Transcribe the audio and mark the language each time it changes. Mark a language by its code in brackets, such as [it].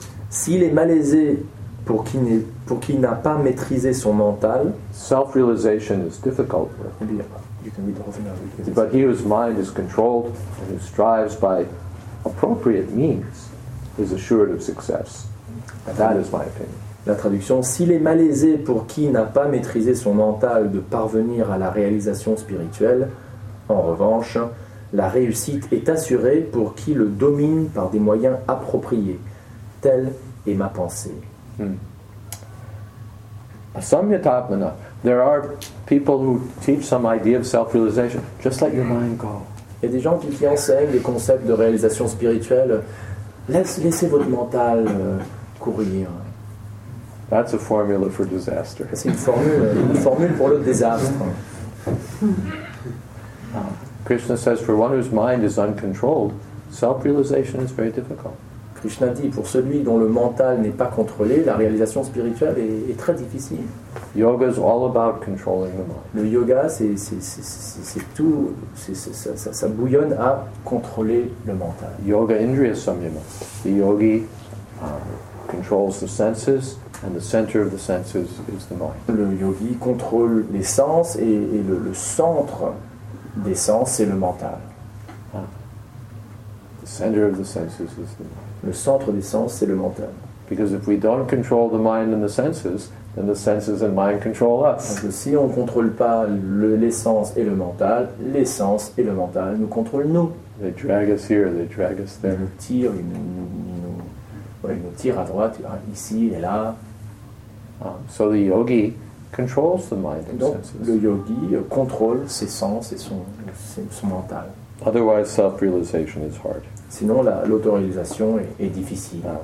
[fr] S'il est malaisé pour qui n'a pas maîtrisé son mental. [en] Self-realization is difficult. You can read the whole thing out. But he whose mind is controlled and who strives by appropriate means is assured of success. That is my opinion. [fr] La traduction, s'il est malaisé pour qui n'a pas maîtrisé son mental de parvenir à la réalisation spirituelle, en revanche, La réussite est assurée pour qui le domine par des moyens appropriés. Telle est ma pensée. [sa] Samyatatmana. [en] There are people who teach some idea of self-realization. Just let your mind go. [fr] Il y a des gens qui enseignent des concepts de réalisation spirituelle. Laissez votre mental courir. [en] That's a formula for disaster. [fr] C'est une formule pour le désastre. [en] Krishna says, for one whose mind is uncontrolled, self-realization is very difficult. [fr] Krishna dit, pour celui dont le mental n'est pas contrôlé, la réalisation spirituelle est très difficile. [en] Yoga is all about controlling the mind. [fr] Le yoga, ça bouillonne à contrôler le mental. [sa] Yoga indriya samyama. [en] The yogi controls the senses, and the center of the senses is the mind. [fr] Le yogi contrôle les sens et le centre des sens, c'est le mental. [en] The center of the senses is the mind. [fr] Le centre des sens, c'est le mental. [en] Because if we don't control the mind and the senses, then the senses and mind control us. [fr] Parce que si on ne contrôle pas les sens et le mental, les sens et le mental nous contrôlent nous. [en] They drag us here, they drag us there. [fr] Ils nous tirent à droite, ici et là. [en] So the yogi controls the mind and [fr] donc, [en] senses. [fr] Le yogi contrôle ses sens et son mental. [en] Otherwise, self-realization is hard. [fr] Sinon, l'autoréalisation est difficile.